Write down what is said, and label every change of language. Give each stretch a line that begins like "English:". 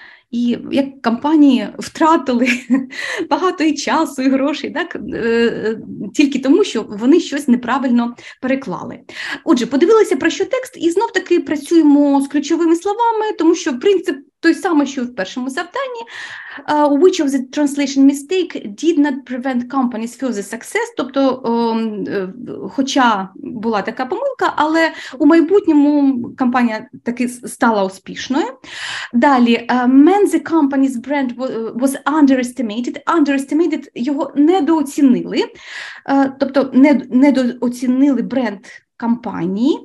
Ukrainian: І як компанії втратили багато і часу, і грошей, так, тільки тому, що вони щось неправильно переклали. Отже, подивилися, про що текст, і знов-таки працюємо з ключовими словами, тому що принцип той самий, що в першому завданні.
English: Which of the translation mistake did not prevent company's further success?
Ukrainian: Тобто, хоча була така помилка, але у майбутньому компанія таки стала успішною. Далі,
English: when the company's brand was underestimated, underestimated,
Ukrainian: його недооцінили, тобто недооцінили бренд компанії.